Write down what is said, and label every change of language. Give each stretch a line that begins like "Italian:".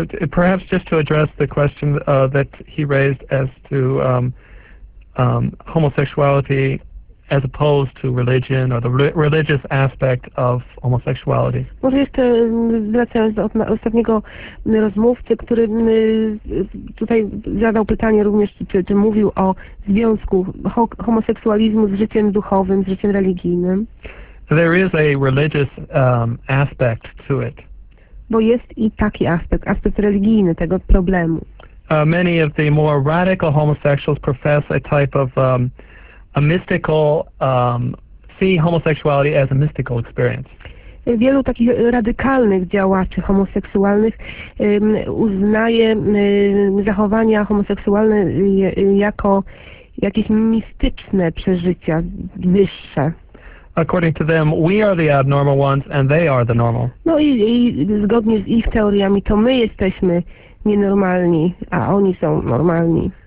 English: Perhaps just to address the question that he raised as to homosexuality as opposed to religion or the religious aspect of homosexuality.
Polish: Może jeszcze wracając do ostatniego rozmówcy, który tutaj zadał pytanie również, czy mówił o związku homoseksualizmu z życiem duchowym, z życiem religijnym.
English: There is a religious aspect to it.
Polish: Bo jest i taki aspekt religijny tego problemu.
English: Many of the more radical homosexuals profess a type of a mystical, see homosexuality as a mystical experience.
Polish: wielu takich radykalnych działaczy homoseksualnych uznaje zachowania homoseksualne jako jakieś mistyczne przeżycia wyższe.
English: According to them, we are the abnormal ones and they are the normal.
Polish: No i zgodnie z ich teoriami to my jesteśmy nienormalni, a oni są normalni.